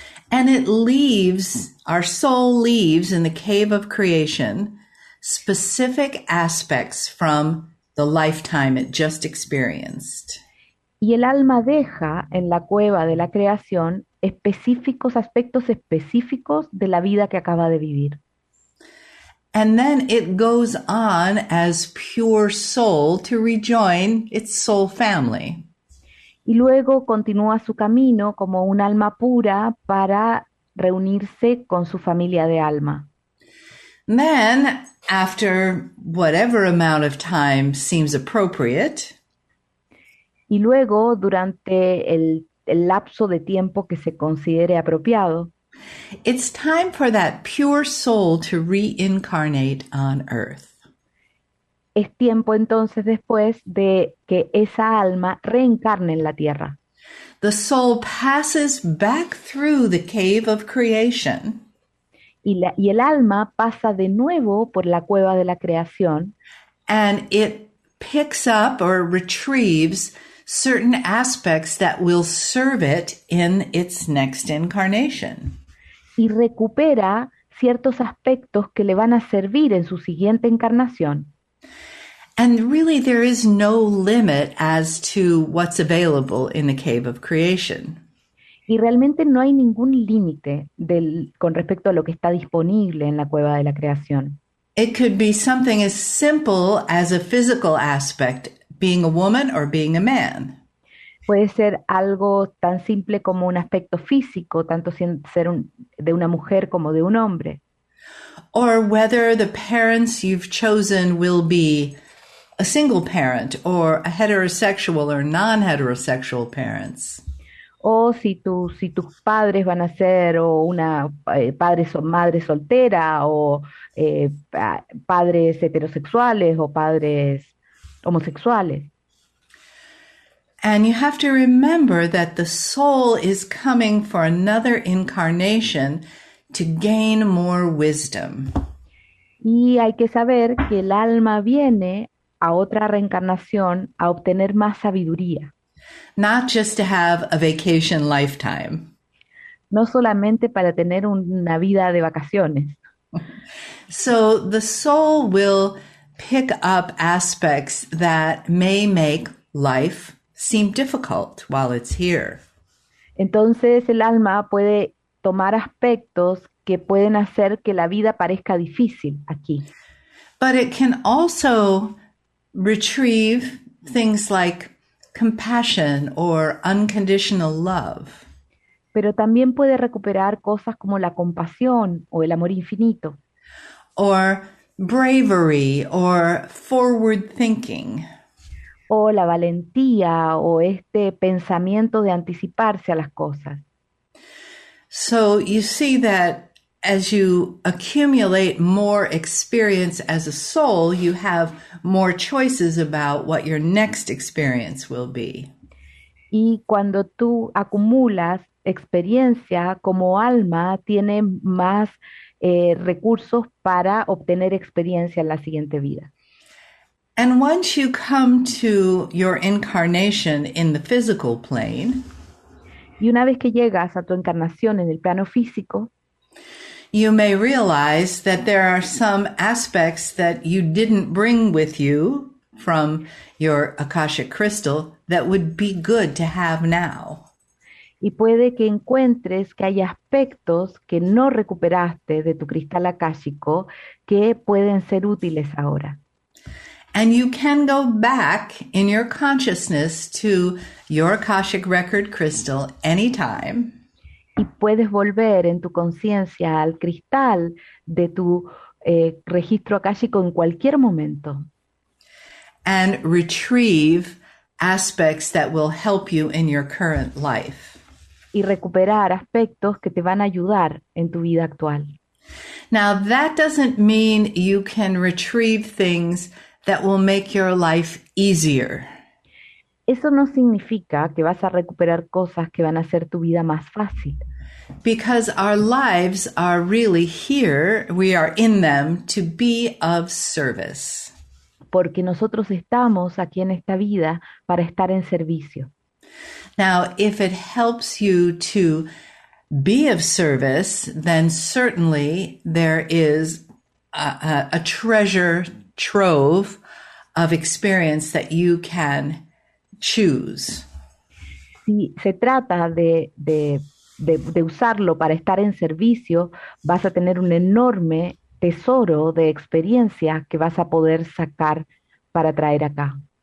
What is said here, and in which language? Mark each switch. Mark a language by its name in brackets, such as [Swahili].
[English] And it leaves, our soul leaves in the Cave of Creation, specific aspects from the lifetime it just experienced. [Spanish] Y el alma deja en la Cueva de la Creación específicos aspectos específicos de la vida que acaba de vivir. [English] And then it goes on as pure soul to rejoin its soul family. [Spanish] Y luego continúa su camino como un alma pura para reunirse con su familia de alma. [English] Then, after whatever amount of time seems appropriate, [Spanish] y luego, durante el lapso de tiempo que se considere apropiado, [English] it's time for that pure soul to reincarnate on earth. [Spanish] Es tiempo entonces después de que esa alma reencarne en la tierra. [English] The soul passes back through the Cave of Creation. [Spanish] Y el alma pasa de nuevo por la Cueva de la Creación. [English] And it picks up or retrieves certain aspects that will serve it in its next incarnation. [Spanish] Y recupera ciertos aspectos que le van a servir en su siguiente encarnación. [English] And really there is no limit as to what's available in the Cave of Creation. [Spanish] Y realmente no hay ningún límite con respecto a lo que está disponible en la Cueva de la Creación. [English] It could be something as simple as a physical aspect, being a woman or being a man. [Spanish] Puede ser algo tan simple como un aspecto físico, tanto ser de una mujer como de un hombre. [English] Or whether the parents you've chosen will be a single parent or a heterosexual or non-heterosexual parents. [Spanish] O si tus padres van a ser padres o madres solteras o padres heterosexuales o padres homosexuales. [English] And you have to remember that the soul is coming for another incarnation to gain more wisdom. [Spanish] Y hay que saber que el alma viene a otra reencarnación a obtener más sabiduría. [English] Not just to have a vacation lifetime. [Spanish] No solamente para tener una vida de vacaciones. [English] So the soul will pick up aspects that may make life seem difficult while it's here. [Spanish] Entonces el alma puede tomar aspectos que pueden hacer que la vida parezca difícil aquí. [English] But it can also retrieve things like compassion or unconditional love. [Spanish] Pero también puede recuperar cosas como la compasión o el amor infinito. [English] Or bravery or forward thinking. [Spanish] O la valentía o este pensamiento de anticiparse a las cosas. [English] So you see that as you accumulate more experience as a soul, you have more choices about what your next experience will be. [Spanish] Y cuando tú acumulas experiencia como alma, tiene más recursos para obtener experiencia en la siguiente vida. [English] And once you come to your incarnation in the physical plane, [Spanish] y una vez que llegas a tu encarnación en el plano físico, [English] you may realize that there are some aspects that you didn't bring with you from your Akashic Crystal that would be good to have now. [Spanish] Y puede que encuentres que hay aspectos que no recuperaste de tu cristal akáshico que pueden ser útiles ahora. [English] And you can go back in your consciousness to your Akashic Record crystal anytime. [Spanish] Y puedes volver en tu conciencia al cristal de tu registro akáshico en cualquier momento. [English] And retrieve aspects that will help you in your current life. [Spanish] Y recuperar aspectos que te van a ayudar en tu vida actual. [English] Now, that doesn't mean you can retrieve things that will make your life easier. [Spanish] Eso no significa que vas a recuperar cosas que van a hacer tu vida más fácil. [English] Because our lives are really here, we are in them to be of service. [Spanish] Porque nosotros estamos aquí en esta vida para estar en servicio. [English] Now, if it helps you to be of service, then certainly there is a treasure trove of experience that you can choose. [Spanish] Si se trata de usarlo para estar en servicio, vas a tener un enorme tesoro de experiencia que vas a poder sacar para traer acá.